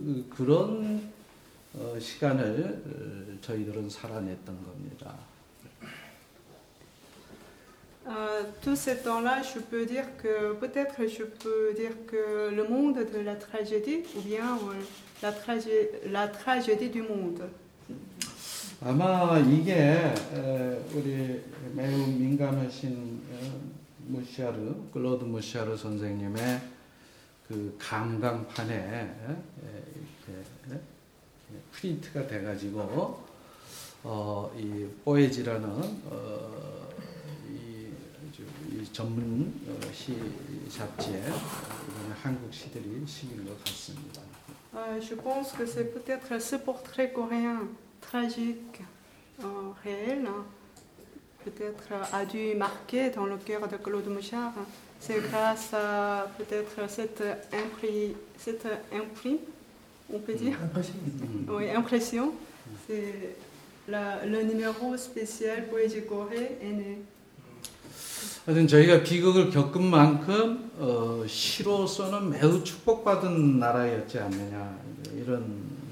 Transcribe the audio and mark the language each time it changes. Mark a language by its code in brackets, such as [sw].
[ko] 그런 시간을 저희들은 살아냈던 겁니다. [fr] Tout ce temps-là, je peux dire que peut-être je peux dire que le monde de la tragédie ou bien la tragédie du monde. [ko] 아마 이게 우리 매우 민감하신 무샤르 클로드 무샤르 선생님의 그 감강판에 이렇게 프린트가 돼가지고 이 포에지라는 이 전문 시 잡지에 이번에 한국 시들이 실린 것 같습니다. [fr] Je pense que c'est peut-être ce portrait coréen. Tragique, réel, peut-être a dû marquer dans le cœur de Claude Mouchard. C'est grâce à peut-être cette imprime, on peut dire. Impression. Oui, impression. C'est le numéro spécial Poésie Corée est né. [ko] 하여튼 저희가 비극을 겪은 만큼 시로서는 매우 축복받은 나라였지 않느냐 이런.